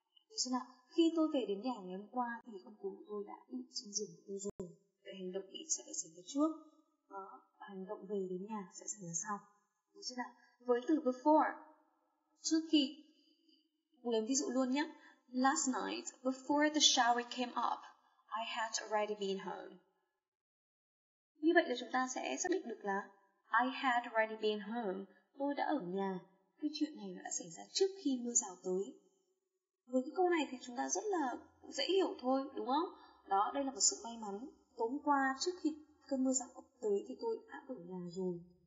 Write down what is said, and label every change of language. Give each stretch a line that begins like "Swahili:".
Vietnamese: Thế nên là khi tôi về đến nhà ngày hôm qua thì con cún của tôi đã đi trên giường của tôi rồi. Vậy hành động đi sẽ xảy ra trước. Đó, hành động về đến nhà sẽ xảy ra sau. Đúng chưa nào? Với từ before, trước khi, lấy ví dụ luôn nhé.
English: Last night, before the shower came up, I had already been home.
Vietnamese: Như vậy là chúng ta sẽ xác định được là
English: I had already been home.
Vietnamese: Tôi đã ở nhà. Cái chuyện này đã xảy ra trước khi mưa rào tới. Với cái câu này thì chúng ta rất là dễ hiểu thôi, đúng không? Đó, đây là một sự may mắn. Tối qua trước khi cơn mưa rào tới thì tôi đã ở nhà rồi.